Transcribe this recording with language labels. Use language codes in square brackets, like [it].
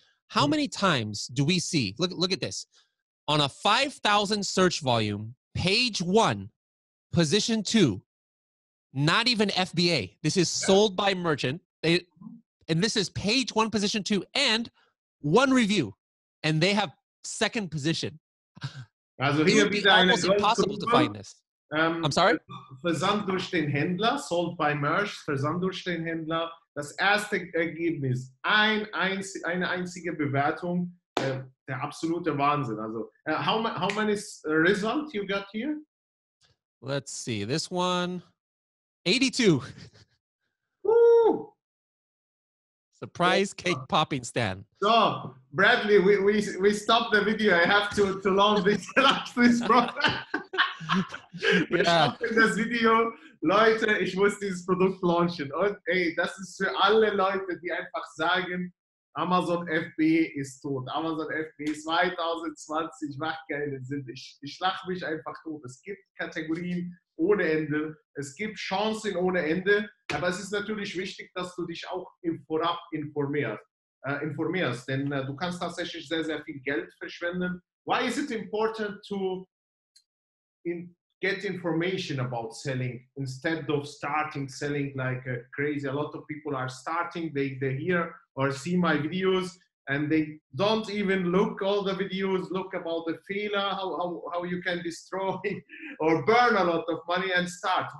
[en] How many times do we see, look at this, on a 5,000 search volume, page one, position two, not even FBA. This is sold by merchant. And this is page one, position two, and one review. And they have second position. [de] Also hier [en] it would be almost impossible to find this. I'm sorry? [de] Versand durch den Händler, [en] sold by merch, [de] versand durch den Händler. Das erste Ergebnis, eine einzige Bewertung, der absolute Wahnsinn. [en] Also, how many results you got here? Let's see, this one, 82. Woo! Surprise cake popping stand. So, Bradley, we stopped the video. I have to launch this program. [de] Wir stoppen das Video. Leute, ich muss dieses Produkt launchen. Und ey, das ist für alle Leute, die einfach sagen, Amazon FBA ist tot. Amazon FBA 2020 macht keinen Sinn. Ich lache mich einfach tot. Es gibt Kategorien ohne Ende. Es gibt Chancen ohne Ende. Aber es ist natürlich wichtig, dass du dich auch im Vorab informierst. Denn du kannst tatsächlich sehr, sehr viel Geld verschwenden. [en] Why is it important to get information about selling instead of starting selling like crazy? A lot of people are starting, they hear or see my videos and they don't even look all the videos, look about the failure, how you can destroy or burn a lot of money and start.